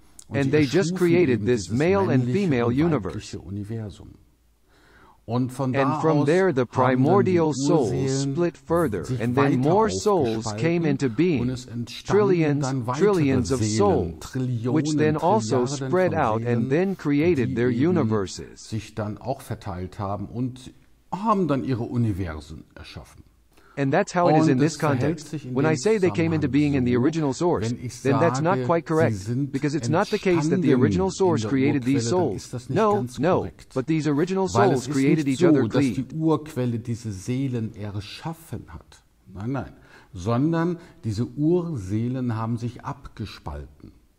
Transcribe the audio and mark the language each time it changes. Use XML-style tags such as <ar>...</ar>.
<en>And they just created this male and female universe. And from there the primordial souls split further, and then more souls came into being, trillions, trillions of souls, which then also spread out and then created their universes.</en> <de>Sich dann auch verteilt haben und haben dann ihre Universen erschaffen.</de> <en>And that's how it is in this context. When I say they came into being in the original source, then that's not quite correct, because it's not the case that the original source created these souls. No, no, but these original souls created each other, please.</en> <de>Die Urquelle diese Seelen erschaffen hat. Nein, nein. Sondern diese Urseelen haben sich abgespalten.</de>